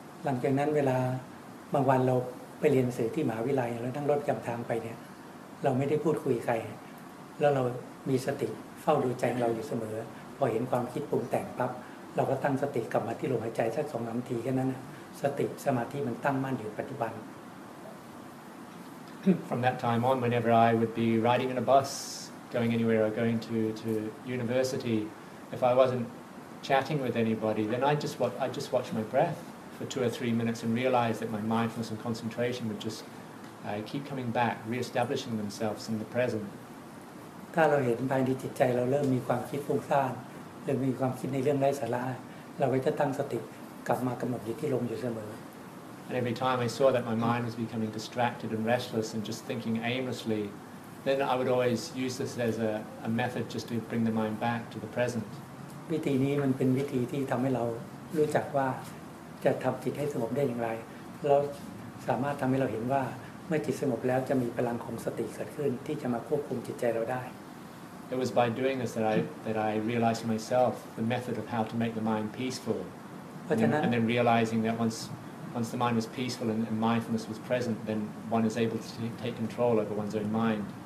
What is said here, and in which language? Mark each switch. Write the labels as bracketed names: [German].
[Thai] หลังจากนั้นเวลาบางวันเราไปเรียนหนังสือที่มหาวิทยาลัยแล้วนั่งรถกลับทางไปเนี่ยเราไม่ได้พูดคุยใครแล้วเรามีสติเฝ้าดูใจเราอยู่เสมอพอเห็นความคิดปรุงแต่งปั๊บเราก็ตั้งสติกลับมาที่ลมหายใจสักสองสามทีแค่นั้นสติสมาธิมันตั้งมั่นอยู่ปัจจุบัน [English] From that time on, whenever I would be riding in a bus going anywhere or going to university, if I wasn't chatting with anybody, then I just watch my breath for 2 or 3 minutes and realize that my mindfulness and concentration would just keep coming back, re-establishing themselves in the present. [Thai] ถ้าเราเห็นภายในจิตใจเราเริ่มมีความคิดฟุ้งซ่านเริ่มมีความคิดในเรื่องไร้สาระเราก็จะตั้งสติกลับมากำหนดอยู่ที่ลมอยู่เสมอ [English] And every time I saw that my mind was becoming distracted and restless and just thinking aimlessly, then I would always use this as a method just to bring the mind back to the present. [Thai] วิธีนี้มันเป็นวิธีที่ทำให้เรารู้จักว่าจะทำจิตให้สงบได้อย่างไรเราสามารถทำให้เราเห็นว่าเมื่อจิตสงบแล้วจะมีพลังของสติเกิดขึ้นที่จะมาควบคุมจิตใจเราได้ [English] It was by doing this that I realized myself the method of how to make the mind peaceful, and then realizing that once the mind was peaceful and mindfulness was present, then one is able to take control over one's own mind.